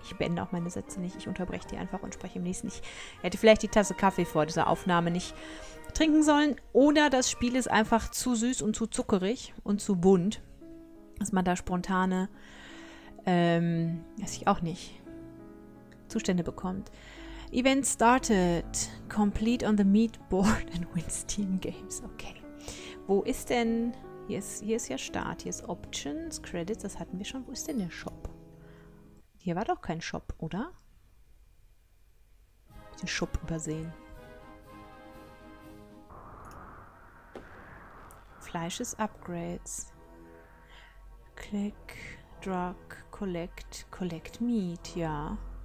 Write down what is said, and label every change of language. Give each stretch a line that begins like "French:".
German: Ich beende auch meine Sätze nicht. Ich unterbreche die einfach und spreche im nächsten nicht. Ich hätte vielleicht die Tasse Kaffee vor dieser Aufnahme nicht trinken sollen. Oder das Spiel ist einfach zu süß und zu zuckerig und zu bunt. Dass man da spontane, weiß ich auch nicht, Zustände bekommt.
English: Event started. Complete on the meat board and win Steam Games.
German: Okay. Wo ist denn... Hier ist ja Start. Hier ist Options, Credits, das hatten wir schon. Wo ist denn der Shop? Hier war doch kein Shop, oder? Den Shop übersehen. Fleisch ist
English: Upgrades. Click, Drug, Collect, Collect Meat, ja.